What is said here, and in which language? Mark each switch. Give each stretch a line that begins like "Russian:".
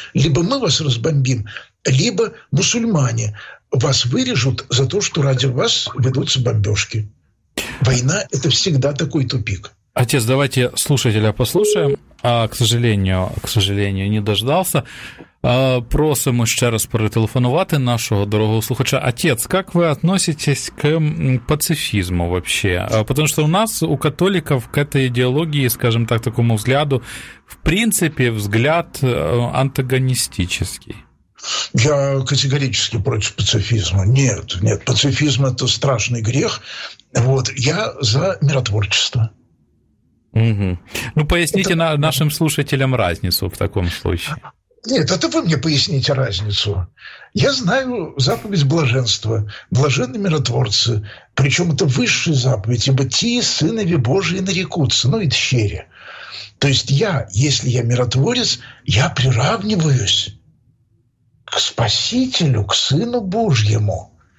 Russian: Либо мы вас разбомбим, либо мусульмане вас вырежут за то, что ради вас ведутся бомбежки. Война – это всегда такой тупик. Отец, давайте слушателя послушаем. К сожалению, не дождался.
Ukrainian: Просимо ще раз перетелефонувати нашого дорогого слухача. Отець, як ви відноситесь до пацифізму взагалі? Тому що у нас, у католиків, к цій ідеології, скажімо так, такому взгляду, в принципі, взгляд антагоністичний. Я категорично проти пацифізму. Ні, пацифізм – це страшний гріх.
Russian: Вот. Я за миротворчество. Угу.
Ukrainian: Ну, поясніть нашим слухателям разницю в такому случае.
Russian: Нет, это вы мне поясните разницу. Я знаю заповедь блаженства, блаженны миротворцы, причем это высшая заповедь, ибо те сынови Божии нарекутся, ну и тщери. То есть я, если я миротворец, я приравниваюсь к Спасителю, к Сыну Божьему.